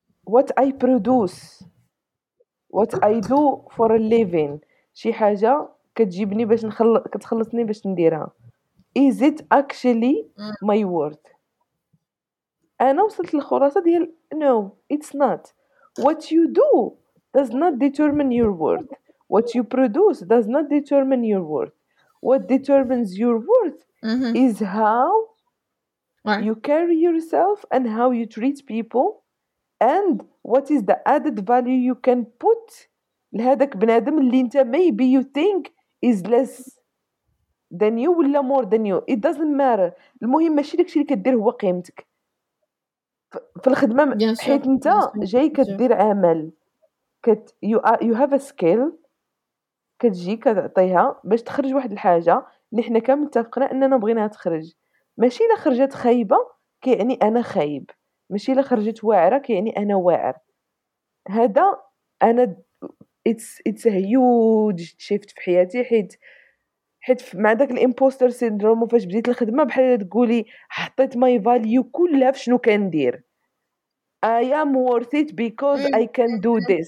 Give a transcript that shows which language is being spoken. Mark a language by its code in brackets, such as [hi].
[en] what I produce what I do for a living [ar] شي حاجة كتجيبني باش كتخلصني باش نديرها، [en] is it actually my word؟ [ar] أنا وصلت للخلاصة ديال [en] no it's not. What you do does not determine your word. What you produce does not determine your word. What determines your word is how you carry yourself and how you treat people and what is the added value you can put [ar] لهذاك بنادم اللي انت [en] maybe you think is less than you [ar] ولا [en] more than you. It doesn't matter. [ar] المهم ماشي داكشي اللي كدير هو قيمتك في الخدمة. حيت انت جاي كدير عمل [en] you have a skill [ar] كتجي كتعطيها باش تخرج واحد الحاجة اللي احنا كامل اتفقنا اننا بغيناها تخرج. ماشي الا خرجت خايبه كيعني انا خايب، ماشي الا خرجت واعره كيعني انا واعر. هذا انا [en] it's a huge shift [ar] في حياتي حيت مع داك الامبوستر سيندروم وفاش بديت الخدمه بحال تقولي حطيت [en] my value [ar] كلها في شنو كندير. [en] I am worth it because I can do this.